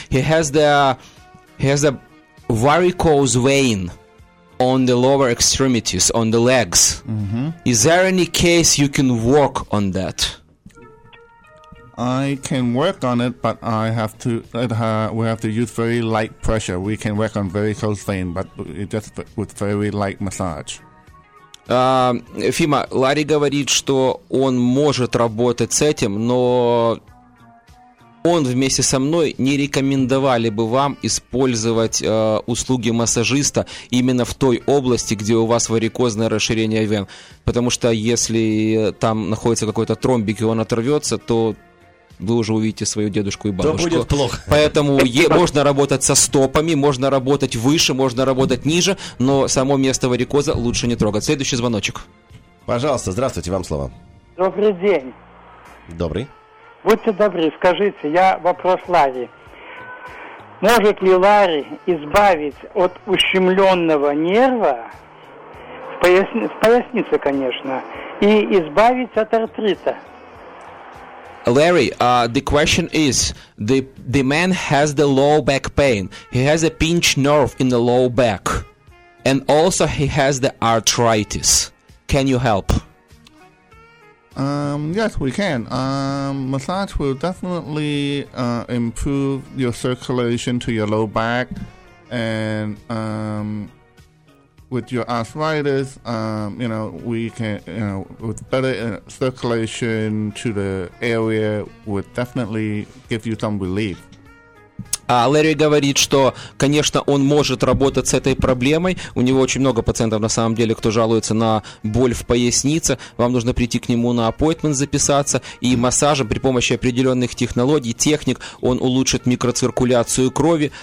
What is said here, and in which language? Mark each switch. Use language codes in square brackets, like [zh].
[en] He has a varicose vein on the lower extremities, on the legs. Mm-hmm. Is there any case you can work on that? I can work on it, but we have to use very light pressure. We can work on varicose vein, but just with very light massage. [ru] Фима, Ларри говорит, что он может работать с этим, но он вместе со мной не рекомендовали бы вам использовать услуги массажиста именно в той области, где у вас варикозное расширение вен. Потому что если там находится какой-то тромбик и он оторвется, то вы уже увидите свою дедушку и бабушку. То будет плохо. Поэтому можно работать со стопами, можно работать выше, можно работать ниже, но само место варикоза лучше не трогать. Следующий звоночек. Пожалуйста, здравствуйте, вам слово. Добрый день. Добрый. Будьте добры, скажите, я вопрос Ларе. Может ли Ларе избавить от ущемленного нерва, в пояснице, конечно, и избавить от артрита? [en] Larry, the question is, the man has the low back pain. He has a pinched nerve in the low back. And also he has the arthritis. Can you help? Yes, we can. Massage will definitely improve your circulation to your low back. And with your arthritis, with better circulation to the area would definitely give you some relief. [ru] Ларри говорит, что, конечно, он может работать с этой проблемой. У него очень много пациентов, на самом деле, кто жалуется на боль в пояснице. Вам нужно прийти к нему на appointment записаться. И массажем при помощи определенных технологий, техник, он улучшит микроциркуляцию крови.